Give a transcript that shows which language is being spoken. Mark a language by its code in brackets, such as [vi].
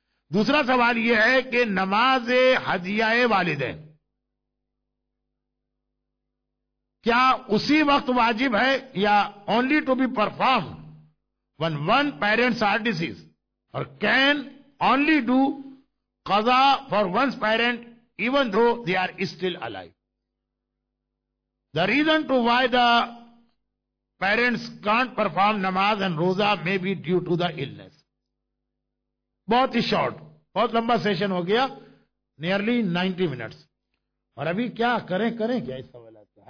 [ur] دوسرا سوال یہ ہے کہ نماز حدیہ والدین کیا اسی وقت واجب ہے یا [en] Only to be perform when one parents are deceased, اور can only do قضا for one's parent even though they are still alive. The reason to why the parents can't perform نماز and روزہ may be due to the illness. [ur] بہت ہی short, بہت لمبا session ہو گیا, [en] nearly 90 minutes, [ur] اور ابھی کیا کریں کریں کیا اس سوالات کا.